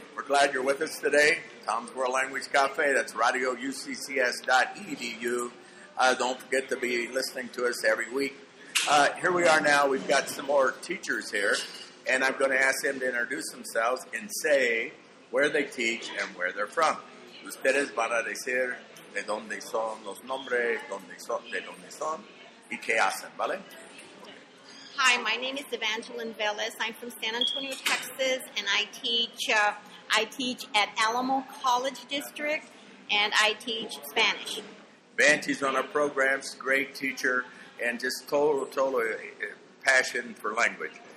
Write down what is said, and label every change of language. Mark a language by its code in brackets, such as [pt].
[en] We're glad you're with us today. Tom's World Language Cafe. That's radioucs.edu. Don't forget to be listening to us every week. Here we are now. We've got some more teachers here. And I'm going to ask them to introduce themselves and say where they teach and where they're from. [es] Ustedes van a decir de dónde son los nombres, de dónde son, y qué hacen, ¿vale? [en] Hi, my name is Evangeline Velez. I'm from San Antonio, Texas, and I teach at Alamo College District, and I teach Spanish. Banty's on our programs, great teacher, and just total passion for language.